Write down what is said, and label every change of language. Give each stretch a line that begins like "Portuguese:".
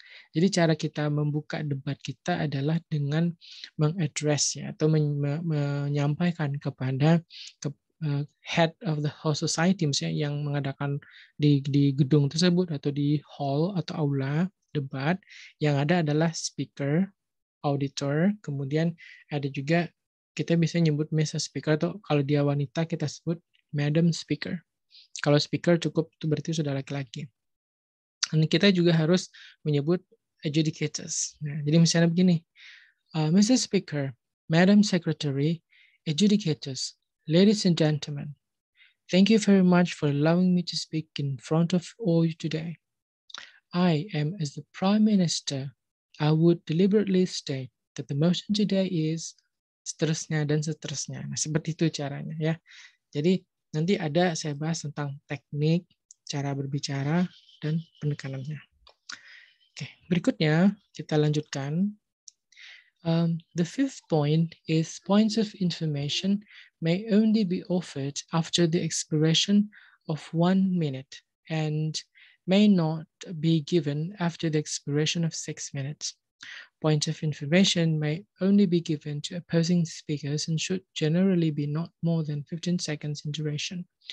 Indonesian: Jadi cara kita membuka debat kita adalah dengan mengaddress ya, atau menyampaikan kepada
English: head of the host society,
Indonesian: misalnya yang mengadakan di gedung tersebut atau di hall atau aula debat, yang ada adalah speaker, auditor, kemudian ada juga kita bisa nyebut Mrs. Speaker atau kalau dia wanita kita sebut Madam Speaker. Kalau speaker cukup itu berarti sudah laki-laki. Dan kita juga harus menyebut adjudicators. Nah, jadi misalnya begini, Mrs.
English: Speaker, Madam Secretary, adjudicators, ladies and gentlemen, thank you very much for allowing me to speak in front of all you today. I am as the Prime Minister, I would deliberately state that the motion today is
Indonesian: seterusnya dan seterusnya. Nah, seperti itu caranya ya. Jadi nanti ada saya bahas tentang teknik, cara berbicara, dan penekanannya. Oke, berikutnya kita lanjutkan.
English: The fifth point is points of information may only be offered after the expiration of 1 minute and may not be given after the expiration of 6 minutes. Points of information may only be given to opposing speakers and should generally be not more than 15 seconds in duration.